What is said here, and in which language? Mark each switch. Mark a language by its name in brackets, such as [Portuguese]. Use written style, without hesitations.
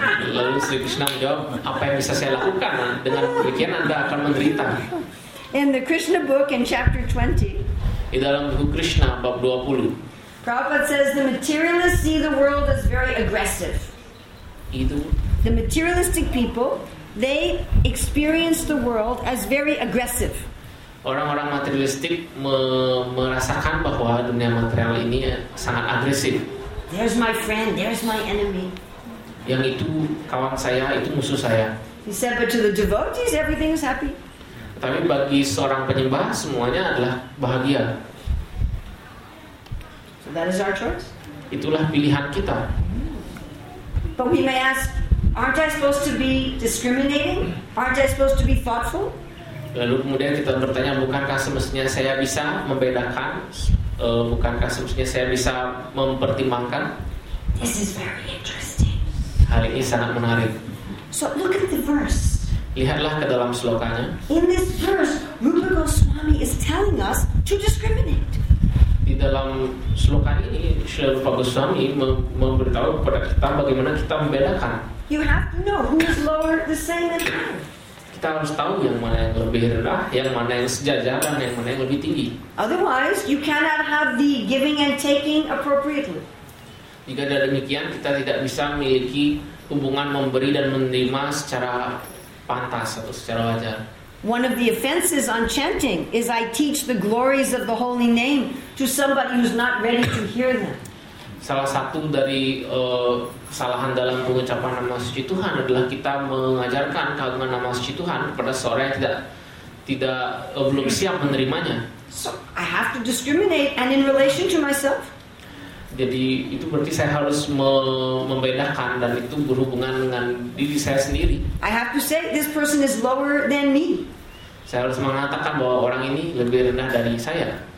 [Indonesian] Lalu Sri Krishna menjawab, "Apa yang bisa saya lakukan? Dengan demikian Anda akan menderita." [English] In the Krishna book, in chapter 20. [Indonesian] Di dalam buku Krishna bab 20. [English] Prabhupada says the materialists see the world as very aggressive. [Indonesian] Itu. [English] The materialistic people, they experience the world as very aggressive. [Indonesian] Orang-orang materialistik merasakan bahwa dunia material ini sangat agresif. [English] There's my friend, there's my enemy. [Indonesian] Yang itu kawan saya, itu musuh saya. [English] He said, but to the devotees, everything is happy. [Indonesian] Tapi bagi seorang penyembah, semuanya adalah bahagia. [English] So that is our choice. [Indonesian] Itulah pilihan kita. [English] But we may ask, aren't I supposed to be discriminating? Aren't I supposed to be thoughtful? [Indonesian] Lalu kemudian kita bertanya, bukankah semestinya saya bisa membedakan? Bukankah sebenarnya saya bisa mempertimbangkan? [English] This is very interesting. [Indonesian] Hal ini sangat menarik. [English] So look at the verse. [Indonesian] Lihatlah ke dalam slokanya. [English] In this verse, Rupa Goswami is telling us to discriminate. [Indonesian] Di dalam sloka ini, Sri Rupa Goswami memberitahu kepada kita bagaimana kita membedakan. [English] You have to know who is lower, the same and higher. [Indonesian] Kita harus tahu yang mana yang lebih rendah, yang mana yang sejajar, dan yang mana yang lebih tinggi. [English] Otherwise, you cannot have the giving and taking appropriately. [Indonesian] Jika tidak demikian, kita tidak bisa memiliki hubungan memberi dan menerima secara pantas atau secara wajar. [English] One of the offenses on chanting is I teach the glories of the holy name to somebody who's not ready to hear them. [Indonesian] Salah satu dari kesalahan dalam pengucapan nama suci Tuhan adalah kita mengajarkan keagungan nama suci Tuhan kepada seorang yang belum siap menerimanya. [English] So I have to discriminate and in relation to myself. [Indonesian] Jadi itu berarti saya harus membedakan dan itu berhubungan dengan diri saya sendiri. [English] I have to say this person is lower than me. [Indonesian] Saya harus mengatakan bahwa orang ini lebih rendah dari saya.